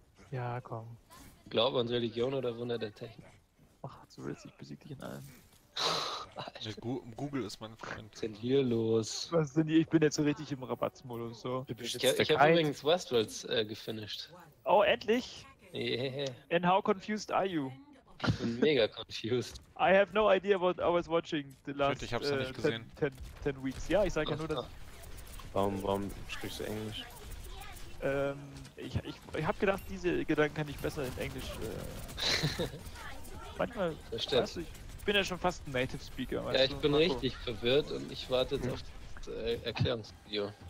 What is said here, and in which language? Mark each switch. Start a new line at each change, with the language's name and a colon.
German: Ja, komm. Glaub an Religion oder Wunder der Technik? Ach, du willst, ich besieg dich in allem. Alter. Google ist mein Freund. Was ist denn hier los? Was sind hier? Ich bin jetzt so richtig im Rabattsmodus so. Ich hab übrigens Westworlds gefinished. Oh, endlich!
English: Yeah. And how confused are you?
German: Ich bin mega
English: confused. I have no idea what I was watching the last.
German: Shit, ich hab's noch nicht gesehen. 10 weeks. Ja, ich sag ja nur das. Warum sprichst du Englisch? Ich hab gedacht, diese Gedanken kann ich besser in Englisch. manchmal. Verstehst du? Ich bin ja schon fast ein Native Speaker. Ja, ich bin richtig verwirrt und ich warte jetzt auf das Erklärungsvideo.